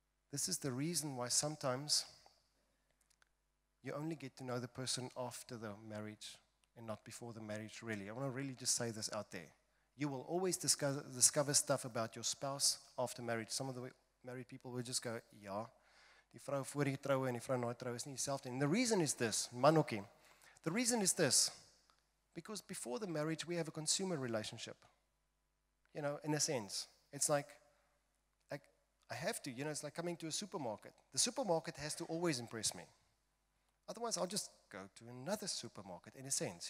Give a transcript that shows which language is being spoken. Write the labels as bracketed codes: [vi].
[en] This is the reason why sometimes you only get to know the person after the marriage and not before the marriage, really. I want to really just say this out there. You will always discover stuff about your spouse after marriage. Some of the married people will just go, yeah. [af] Die vrou voor die troue en die vrou na die troue is nie dieselfde. [en] And the reason is this, manokie. The reason is this. Because before the marriage, we have a consumer relationship. You know, in a sense. It's like I have to. You know, it's like coming to a supermarket. The supermarket has to always impress me. Otherwise, I'll just go to another supermarket, in a sense.